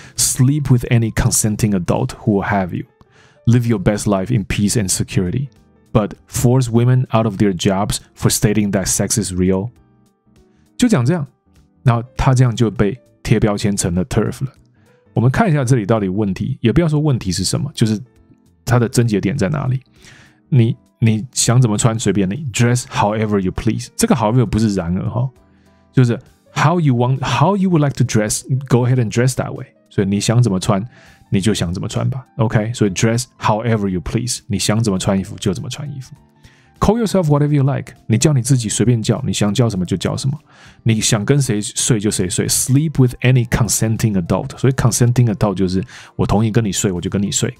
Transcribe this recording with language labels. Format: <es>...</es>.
<en>Sleep with any consenting adult who will have you. Live your best life in peace and security. But force women out of their jobs for stating that sex is real.</en> <zh>就讲这样，那他这样就被贴标签成了 TERF 了。我们看一下这里到底问题，也不要说问题是什么，就是他的症结点在哪里。你想怎么穿随便你 ，</zh> <en>dress however you please。这个 however</en> <zh>不是然而哈，就是</zh> <en>how you would like to dress, go ahead and dress that way。</en> <zh>所以你想怎么穿，你就想怎么穿吧。 OK， 所以</zh> <en>dress however you please，</en> <zh>你想怎么穿衣服就怎么穿衣服。</zh> <en>Call yourself whatever you like，</en> <zh>你叫你自己随便叫，你想叫什么就叫什么，你想跟谁睡就谁睡。</zh> <en>Sleep with any consenting adult，</en> <zh>所以 consenting adult 就是我同意跟你睡，我就跟你睡。</zh>